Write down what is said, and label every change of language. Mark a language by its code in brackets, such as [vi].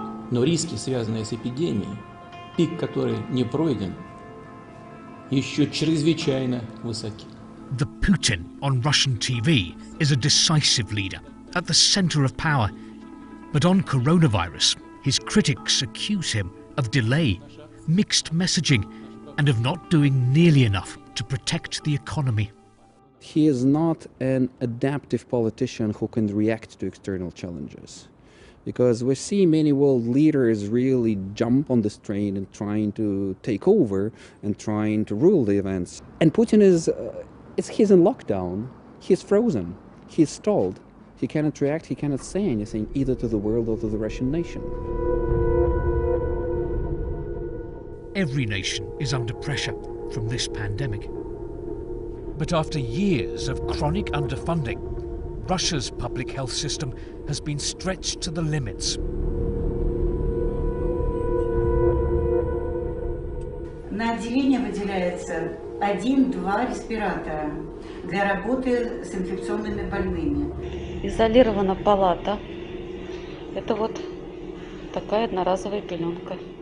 [ru] Но риски, связанные с эпидемией, пик которой не пройден, еще чрезвычайно высоки. [en] The Putin on Russian TV is a decisive leader, at the center of power. But on coronavirus, his critics accuse him of delay, mixed messaging, and of not doing nearly enough to protect the economy. He is not an adaptive politician who can react to external challenges. because we see many world leaders really jump on this train and trying to take over and trying to rule the events. And Putin is, he's in lockdown, he's frozen, he's stalled. He cannot react, he cannot say anything either to the world or to the Russian nation. Every nation is under pressure from this pandemic. But after years of chronic underfunding, Russia's public health system has been stretched to the limits. [ru] На отделение выделяется 1-2 респиратора для работы с инфекционными больными. Изолирована палата. Это вот такая одноразовая пеленка.